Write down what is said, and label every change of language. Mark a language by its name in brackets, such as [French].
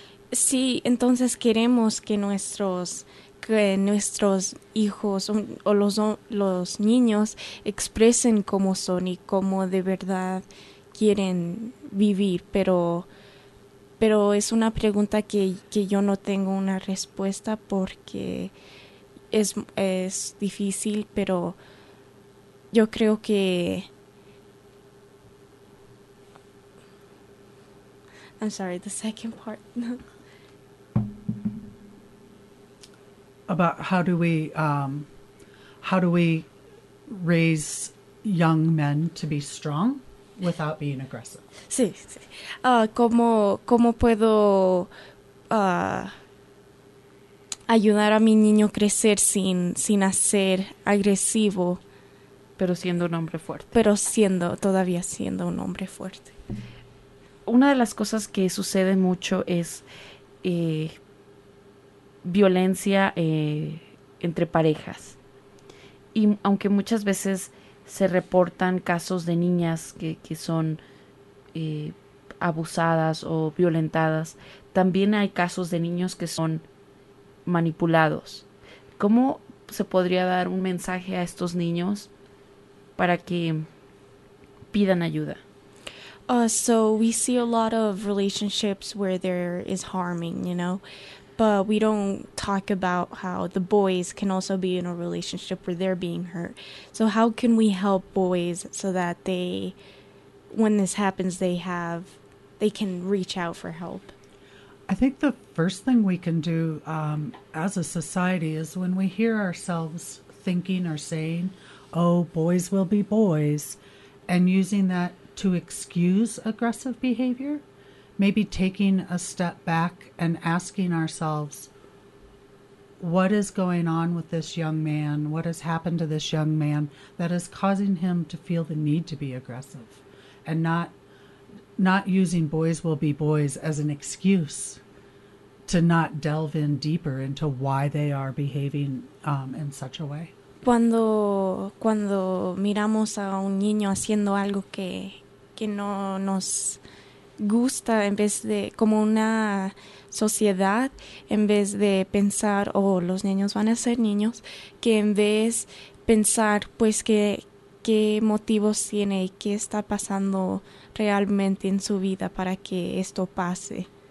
[Spanish] Sí, entonces queremos que nuestros hijos o los niños expresen cómo son y cómo de verdad quieren vivir, pero es una pregunta que yo no tengo una respuesta porque es difícil, pero yo creo que [English] I'm sorry, the second part. About how do we raise young men to be strong without being aggressive? [Spanish] Sí, sí. ¿Cómo puedo ayudar a mi niño a crecer sin ser agresivo? Pero siendo un hombre fuerte. Pero todavía siendo un hombre fuerte. Una de las cosas que sucede mucho es violencia entre parejas. Y aunque muchas veces se reportan casos de niñas que son abusadas o violentadas, también hay casos de niños que son manipulados. ¿Cómo se podría dar un mensaje a estos niños para que pidan ayuda? [English] So we see a lot of relationships where there is harming, you know, but we don't talk about how the boys can also be in a relationship where they're being hurt. So how can we help boys so that they, when this happens, they can reach out for help? I think the first thing we can do as a society is when we hear ourselves thinking or saying, oh, boys will be boys, and using that to excuse aggressive behavior, maybe taking a step back and asking ourselves, what is going on with this young man? What has happened to this young man that is causing him to feel the need to be aggressive? And not using boys will be boys as an excuse to not delve in deeper into why they are behaving in such a way. [Spanish] Cuando miramos a un niño haciendo algo que no nos gusta, en vez de como una sociedad, en vez de pensar, oh, los niños van a ser niños, que en vez pensar, pues, qué motivos tiene y qué está pasando realmente en su vida para que esto pase.